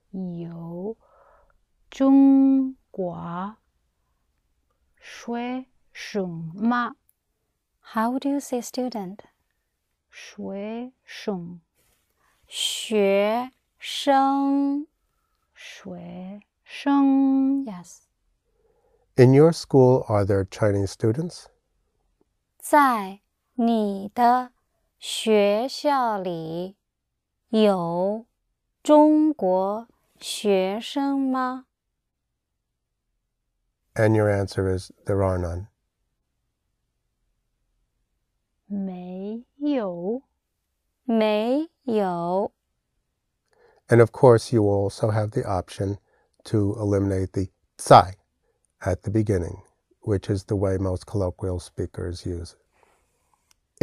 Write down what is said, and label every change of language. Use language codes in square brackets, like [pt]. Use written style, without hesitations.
[zh] 有中国学生吗? [en] How do you say student? [zh] 学生。学生。学生。 [en] Yes. In your school, are there Chinese students? [zh] 在你的学校里有中国学生吗? [en] And your answer is, there are none. [zh] 没有。没有。 [en] And of course, you also have the option to eliminate the 在 at the beginning, which is the way most colloquial speakers use it.